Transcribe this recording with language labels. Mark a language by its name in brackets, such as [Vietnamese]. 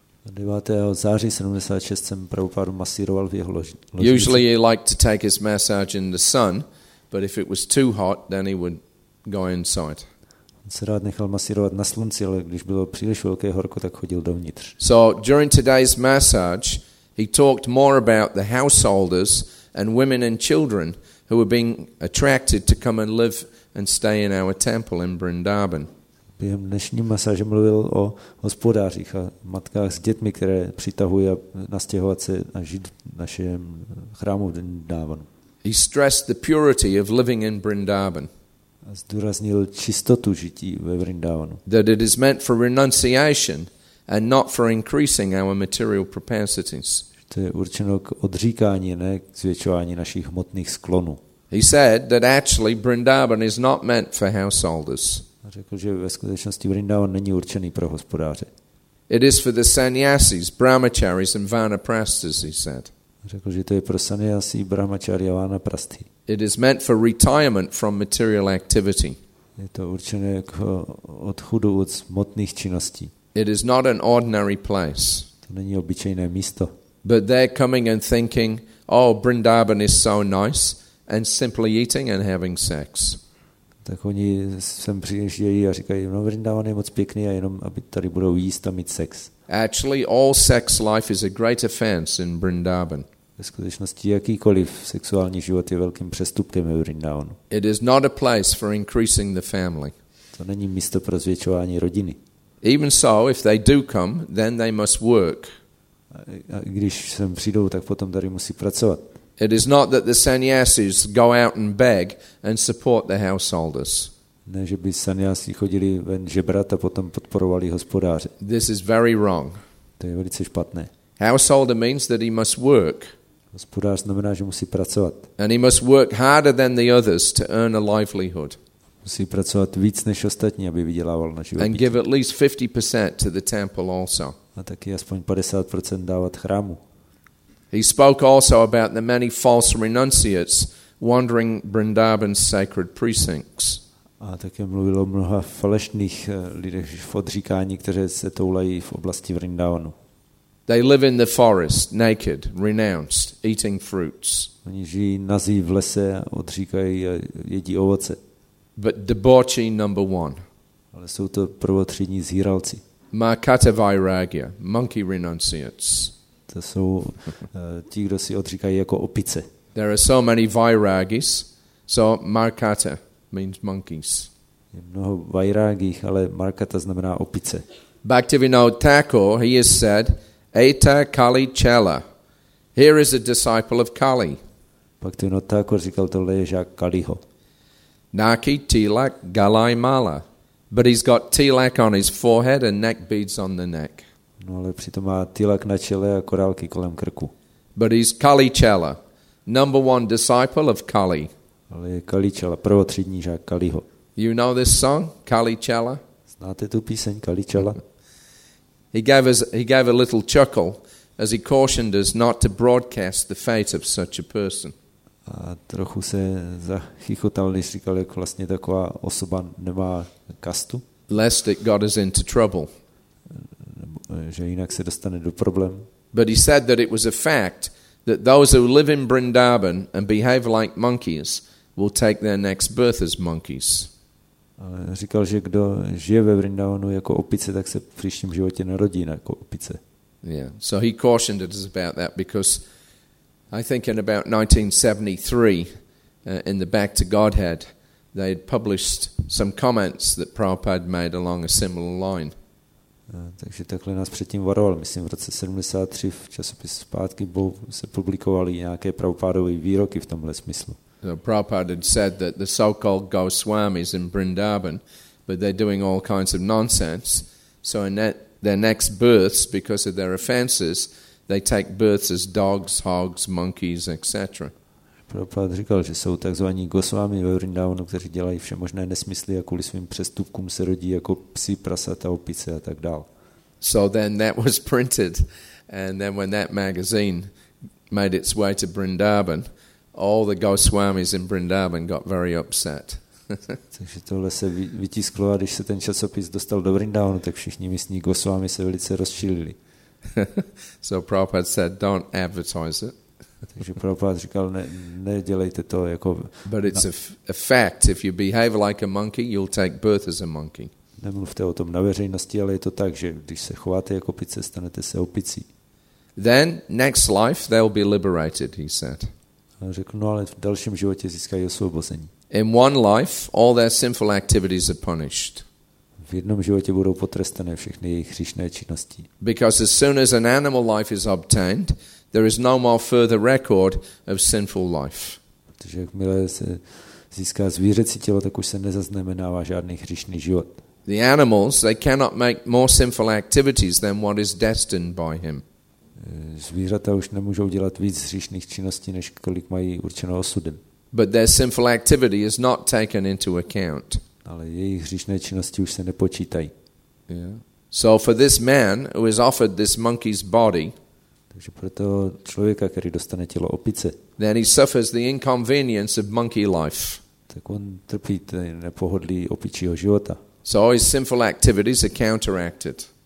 [Czech] 9. září 76 jsem Prabhupádu masíroval v jeho ložnici. [English] Usually he liked to take his massage in the sun, but if it was too hot, then he would go inside. [Czech] Se rád nechal masírovat na slunci, ale když bylo příliš velké horko, tak chodil dovnitř. [English] So during today's massage, he talked more about the householders and women and children who were being attracted to come and live and stay in our temple in Vrindavan. [Czech] Během dnešní masáže mluvil o hospodářích a matkách s dětmi, které přitahují nastěhovat se a žít v našem chrámu v Vrindavanu. [English] He stressed the purity of living in Vrindavan. [Czech] Zdůraznil čistotu žití ve Vrindavanu. [English] That it is meant for renunciation and not for increasing our material propensities. [Czech] To je určeno k odříkání, ne k zvětšování našich hmotných sklonů. [English] He said that actually Vrindavan is not meant for householders. [Czech] Řekl, že ve skutečnosti Vrindavan není určený pro hospodáře. [English] It is for the sannyasis, brahmacharis and vanaprastis, he said. [Czech] Řekl, že to je pro sannyasi, brahmacharis a vanaprasti. [English] It is meant for retirement from material activity. [Czech] Je to určené k odchodu od hmotných činností. [English] It is not an ordinary place. [Czech] To není obyčejné místo. [English] But they're coming and thinking, oh, Vrindavan is so nice, and simply eating and having sex. [Czech] tak oni sem přijíždějí a říkají, no Vrindavan je moc pěkný a jenom, aby tady budou jíst a mít sex. [English] Actually, all sex life is a great offense in Vrindavan. [Czech] Ve skutečnosti jakýkoliv sexuální život je velkým přestupkem ve Vrindavanu. [English] It is not a place for increasing the family. [Czech] To není místo pro zvětšování rodiny. [English] Even so, if they do come, then they must work. [Czech] A když sem přijdou, tak potom tady musí pracovat. [English] It is not that the sannyasis go out and beg and support the householders. [Czech] Ne, že by sannyasi chodili ven žebrat a potom podporovali hospodáře. [English] This is very wrong. [Czech] To je velice špatné. [English] Householder means that he must work. [Czech] Hospodář znamená, že musí pracovat. [English] And he must work harder than the others to earn a livelihood. [Czech] Musí pracovat víc než ostatní, aby vydělával na život. [English] And give at least 50% to the temple also. [Czech] A taky aspoň 50% dávat chrámu. [English] He spoke also about the many false renunciates wandering Vrindavan's sacred precincts. [Czech] A také mluvil o mnoha falešných lidech v odříkání, kteří se toulají v oblasti Vrindavanu. [English] They live in the forest, naked, renounced, eating fruits. [Czech] Oni žijí nazí v lese a odříkají a jedí ovoce. [English] But debauchee number one. [Czech] Ale jsou to prvotřídní zhýralci. [English] Markata Vairagya, monkey renunciates. [Czech] To jsou ti, kdo si odříkají jako opice. [English] There are so many vairagis, so markata means monkeys. [Czech] Je mnoho vairagích, ale markata znamená opice. [English] Bhaktivinoda Thakur, he is said, [Bangla] Eta Kali Chela. [English] Here is a disciple of Kali. [Czech] Bhaktivinoda Thakur říkal, tohle je žák Kaliho. [Bangla] Naki Tilak Galai Mala. [English] But he's got tilak on his forehead and neck beads on the neck. [Czech] No, ale přitom má tilak na čele a korálky kolem krku. [English] But he's Kali Chela, number one disciple of Kali. [Czech] Ale je Kali Chela, prvotřídní žák Kaliho. [English] You know this song, Kali Chela? [Czech] Znáte tu píseň Kali Chela? [English] He gave a little chuckle as he cautioned us not to broadcast the fate of such a person. [Czech] A trochu se zachichotal, když říkal, jak vlastně taková osoba nemá kastu. [English] Lest it got us into trouble. [Czech] Nebo, že jinak se dostane do problém. [English] But he said that it was a fact that those who live in Vrindavan and behave like monkeys will take their next birth as monkeys. [Czech] Ale říkal, že kdo žije ve Vrindavanu jako opice, tak se v příštím životě narodí jako opice. [English] Yeah, so he cautioned us about that because I think in about 1973 in the Back to Godhead they had published some comments that Prabhupada made along a similar line. [Czech] Takže takhle nás předtím varoval, myslím v roce 73 v časopise Zpátky Bohu se publikovaly nějaké Prabhupádovy výroky v tomhle smyslu. [English] So Prabhupada had said that the so-called Goswamis in Vrindavan, but they're doing all kinds of nonsense, so in their next births, because of their offenses, they take births as dogs, hogs, monkeys, etc. [Czech] Prabhupada říkal, že jsou takzvaní Goswami ve Vrindavanu, kteří dělají vše možné nesmysly a kvůli svým přestupkům se rodí jako psi, prasata, opice a tak dál. [English] So then that was printed, and then when that magazine made its way to Vrindavan, all the Goswamis in Vrindavan got very upset. [Czech] Takže tohle se vytisklo a když se ten časopis dostal do Vrindavanu, tak všichni místní Goswami se velice rozčilili. [English] So Prabhupada said, don't advertise it. [Czech] Takže Prabhupada říkal, nedělejte to jako. [English] But it's a fact. If you behave like a monkey, you'll take birth as a monkey. [Czech] Nemluvte o tom na veřejnosti, ale je to tak, že když se chováte jako opice, stanete se opicí. [English] Then next life they'll be liberated, he said. [Czech] A řekl, no, ale v dalším životě získají osvobození. [English] In one life, all their sinful activities are punished. [Czech] V jednom životě budou potrestané všechny jejich hříšné činnosti. [English] Because as soon as an animal life is obtained, there is no more further record of sinful life. [Czech] Protože jakmile se získá zvířecí tělo, tak už se nezaznamenává žádný hříšný život. [English] The animals, they cannot make more sinful activities than what is destined by him. [Czech] Zvířata už nemůžou dělat víc hříšných činností, než kolik mají určeno osudem. [English] But their sinful activity is not taken into account. [Czech] Ale jejich hříšné činnosti už se nepočítají. [English] Yeah. So for this man who is offered this monkey's body, [Czech] takže pro toho člověka, který dostane tělo opice, [English] then he suffers the inconvenience of monkey life. [Czech] Tak on trpí ten nepohodlý opičího života. [English] So his sinful activities are counteracted.